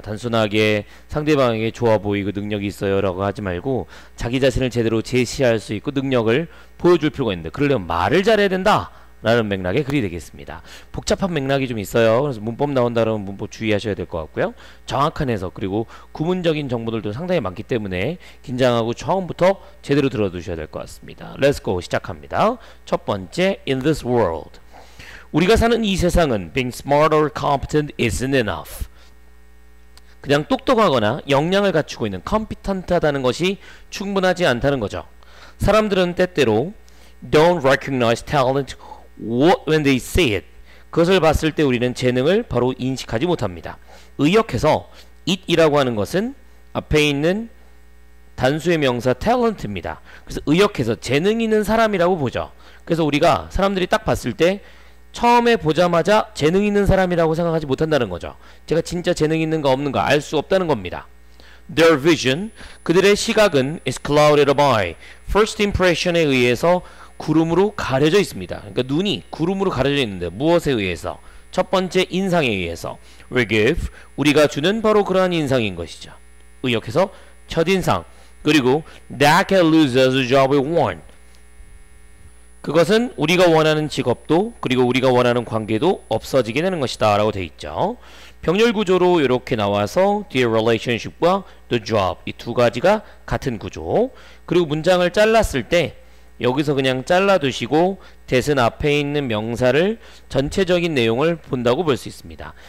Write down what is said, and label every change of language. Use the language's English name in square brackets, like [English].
[Korean] 단순하게 상대방에게 좋아 보이고 능력이 있어요 라고 하지 말고 자기 자신을 제대로 제시할 수 있고 능력을 보여줄 필요가 있는데, 그러려면 말을 잘해야 된다 라는 맥락의 글이 되겠습니다. 복잡한 맥락이 좀 있어요. 그래서 문법 나온다 그러면 문법 주의하셔야 될 것 같고요. 정확한 해석 그리고 구문적인 정보들도 상당히 많기 때문에 긴장하고 처음부터 제대로 들어두셔야 될 것 같습니다. [English] Let's go [Korean] 시작합니다. 첫 번째, [English] In this world. [Korean] 우리가 사는 이 세상은 [English] being smart or competent isn't enough. [Korean] 그냥 똑똑하거나 역량을 갖추고 있는 competent하다는 것이 충분하지 않다는 거죠. 사람들은 때때로 [English] don't recognize talent when they see it. [Korean] 그것을 봤을 때 우리는 재능을 바로 인식하지 못합니다. 의역해서 it이라고 하는 것은 앞에 있는 단수의 명사 talent입니다. 그래서 의역해서 재능 있는 사람이라고 보죠. 그래서 우리가 사람들이 딱 봤을 때 처음에 보자마자 재능 있는 사람이라고 생각하지 못한다는 거죠. 제가 진짜 재능 있는가 없는가 알 수 없다는 겁니다. [English] Their vision, [Korean] 그들의 시각은 [English] is clouded by first impression [Korean] 에 의해서 구름으로 가려져 있습니다. 그러니까 눈이 구름으로 가려져 있는데 무엇에 의해서? 첫 번째 인상에 의해서. [English] We give, [Korean] 우리가 주는 바로 그러한 인상인 것이죠. 의역해서 첫인상. 그리고 [English] that can lose us a job we want. [Korean] 그것은 우리가 원하는 직업도 그리고 우리가 원하는 관계도 없어지게 되는 것이다 라고 되어 있죠. 병렬 구조로 이렇게 나와서 the relationship과 the job 이 두 가지가 같은 구조. 그리고 문장을 잘랐을 때 여기서 그냥 잘라두시고 that은 앞에 있는 명사를 전체적인 내용을 본다고 볼 수 있습니다.